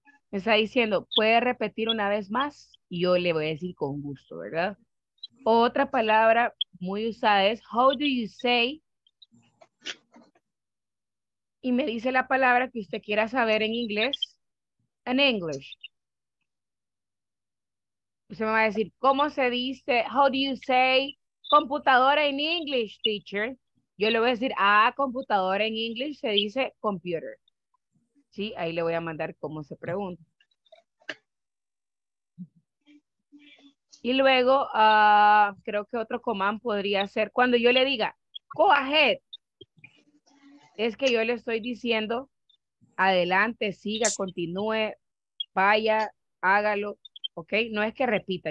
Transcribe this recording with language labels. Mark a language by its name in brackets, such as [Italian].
[Spanish] Me está diciendo, ¿puede repetir una vez más? Y yo le voy a decir con gusto, ¿verdad? Otra palabra muy usada es, [English] how do you say? [Spanish] Y me dice la palabra que usted quiera saber en inglés, [English] in English. [Spanish] Usted me va a decir, ¿cómo se dice? [English] How do you say computadora in English, teacher? [Spanish] Yo le voy a decir, computadora [English] in English [Spanish] se dice computer. Sí, ahí le voy a mandar cómo se pregunta. Y luego, creo que otro comando podría ser, cuando yo le diga, [English] go ahead, [Spanish] es que yo le estoy diciendo, adelante, siga, continúe, vaya, hágalo. ¿Ok? No es que repita.